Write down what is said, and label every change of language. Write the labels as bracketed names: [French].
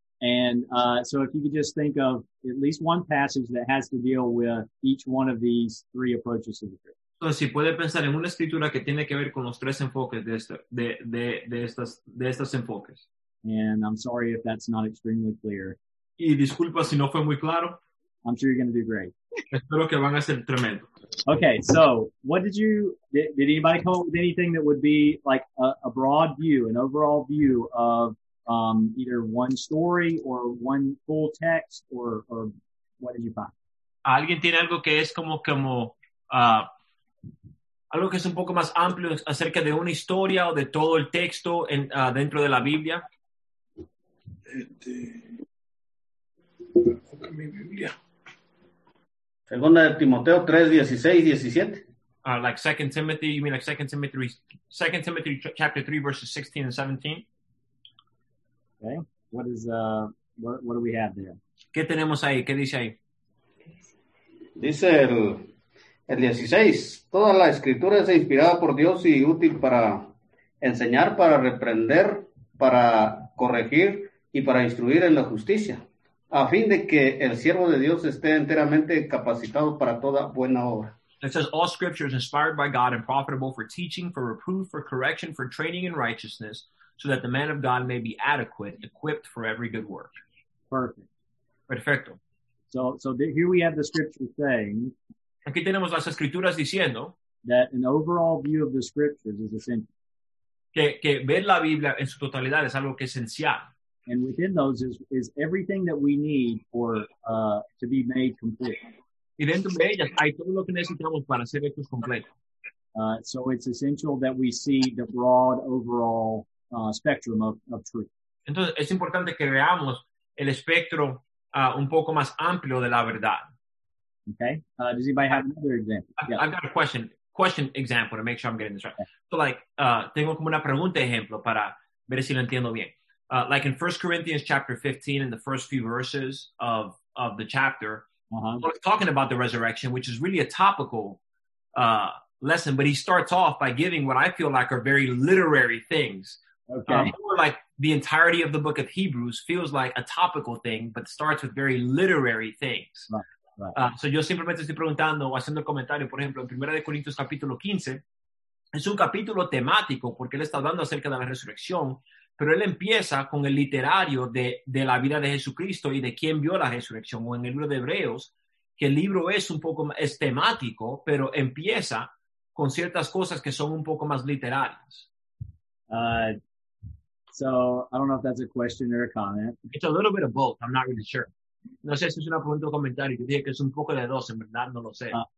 [English] And so if you could just think of at least one passage that has to deal with each one of these three approaches to the church. [Spanish] Entonces, si puede pensar en una escritura que tiene que ver con los tres enfoques de esto, de estos enfoques. [English] And I'm sorry if that's not extremely clear. [Spanish] Y disculpa si no fue muy claro. [English] I'm sure you're going to do great. [Spanish] Espero que van a ser tremendo. [English] Okay, so what did anybody come up with anything that would be like a broad view, an overall view of either one story or one full text or what did you find? [Spanish] ¿Alguien tiene algo que es como algo que es un poco más amplio acerca de una historia o de todo el texto en, dentro de la Biblia? Mi Biblia. Segunda de Timoteo 3:16-17. [English] Like 2 Timothy, you mean like 2 Timothy chapter 3 verses 16 and 17. Okay, what is what do we have there? [Spanish] ¿Qué tenemos ahí? ¿Qué dice ahí? Dice el 16, toda la escritura es inspirada por Dios y útil para enseñar, para reprender, para corregir y para instruir en la justicia, a fin de que el siervo de Dios esté enteramente capacitado para toda buena obra. [English] It says, all scripture is inspired by God and profitable for teaching, for reproof, for correction, for training in righteousness, so that the man of God may be adequate, equipped for every good work. Perfect. [Spanish] Perfecto. [English] So here we have the scripture saying, [Spanish] aquí tenemos las escrituras diciendo [English] that an overall view of the scriptures is essential. [Spanish] Que ver la Biblia en su totalidad es algo que es esencial. [English] And within those is everything that we need for to be made complete. [Spanish] Y dentro de ellas hay todo lo que necesitamos para ser hechos completos. [English] So it's essential that we see the broad overall spectrum of truth. [Spanish] Entonces es importante que veamos el espectro un poco más amplio de la verdad. [English] Okay. Does anybody have another example? I've got a question. Question example to make sure I'm getting this right. Okay. So like, [Spanish] tengo como una pregunta ejemplo para ver si lo entiendo bien. [English] Like in 1 Corinthians chapter 15, in the first few verses of the chapter, uh-huh. He's talking about the resurrection, which is really a topical lesson, but he starts off by giving what I feel like are very literary things. Okay. More like the entirety of the book of Hebrews feels like a topical thing, but starts with very literary things. Right. [Spanish] So yo simplemente estoy preguntando o haciendo el comentario, por ejemplo, en 1 de Corintios capítulo 15, es un capítulo temático porque él está hablando acerca de la resurrección, pero él empieza con el literario de la vida de Jesucristo y de quién vio la resurrección, o en el libro de Hebreos, que el libro es un poco es temático, pero empieza con ciertas cosas que son un poco más literarias. [English] So I don't know if that's a question or a comment. It's a little bit of both, I'm not really sure. [Spanish] No sé si es una pregunta o comentario. Yo dije que es un poco de dos, en verdad no lo sé.